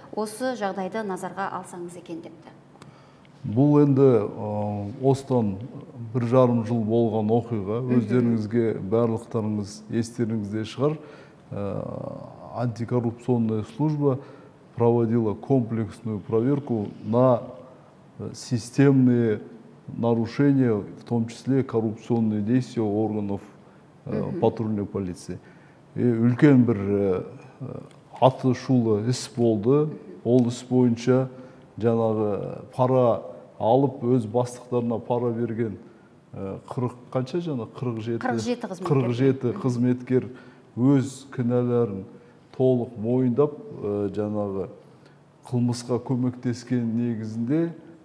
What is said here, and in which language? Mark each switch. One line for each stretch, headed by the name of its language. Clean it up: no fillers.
Kazakh: Осы жағдайды назарға алсаңыз екен депті. Бұл енді осыдан 1,5 жыл болған оқиға. Өздеріңізге барлықтарыңыз естеріңізде шығар.
Russian: антикоррупционная служба проводила комплексную проверку на системные нарушения, в том числе коррупционные действия органов патрульной полиции.
Kazakh: И үлкен бір атышулы іс болды, ол іс бойынша жаңағы пара алып, өз бастықтарына пара берген 47 қызметкер өз кінәлерін толық мойындап, жаңағы қылмысқа көмектескен негізінде